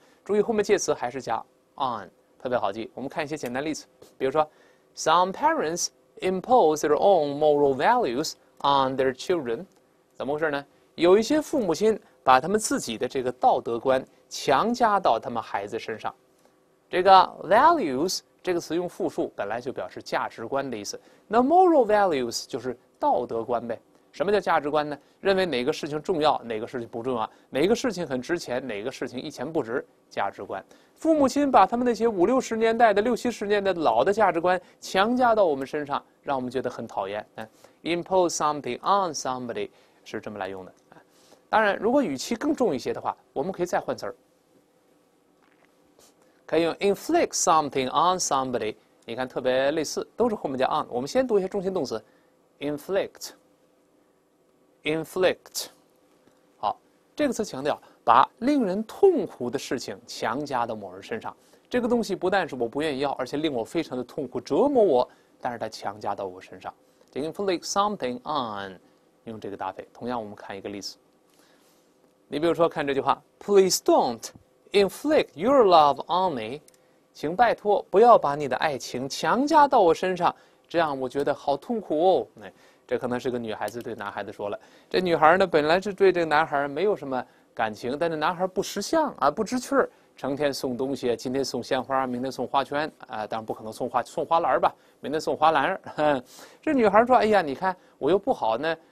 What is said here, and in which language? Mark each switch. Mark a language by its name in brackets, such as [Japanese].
[Chinese] 注意后面介词还是加 on， 特别好记。我们看一些简单例子，比如说 [English] ，Some parents impose their own moral values on their children， [Chinese] 怎么回事呢？有一些父母亲把他们自己的这个道德观强加到他们孩子身上。这个 values 这个词用复数，本来就表示价值观的意思。那 [English] moral values [Chinese] 就是道德观呗。什么叫价值观呢？认为哪个事情重要，哪个事情不重要，哪个事情很值钱，哪个事情一钱不值，价值观。父母亲把他们那些五六十年代的、六七十年代的老的价值观强加到我们身上，让我们觉得很讨厌。 [English] Impose something on somebody [Chinese] 是这么来用的。当然，如果语气更重一些的话，我们可以再换词儿，可以用 [English] inflict something on somebody， [Chinese] 你看特别类似，都是后面加 on。我们先读一下中心动词 inflict， 好，这个词强调把令人痛苦的事情强加到某人身上。这个东西不但是我不愿意要，而且令我非常的痛苦，折磨我，但是它强加到我身上。 [English] inflict something on [Chinese] 用这个搭配。同样我们看一个例子，你比如说看这句话， [English] Please don't inflict your love on me， [Chinese] 请拜托不要把你的爱情强加到我身上，这样我觉得好痛苦哦。这可能是个女孩子对男孩子说了，这女孩呢本来是对这个男孩没有什么感情，但是男孩不识相啊，不知趣儿，成天送东西，今天送鲜花，明天送花圈啊，当然不可能送花篮吧，明天送花篮。这女孩说：“哎呀，你看我又不好呢，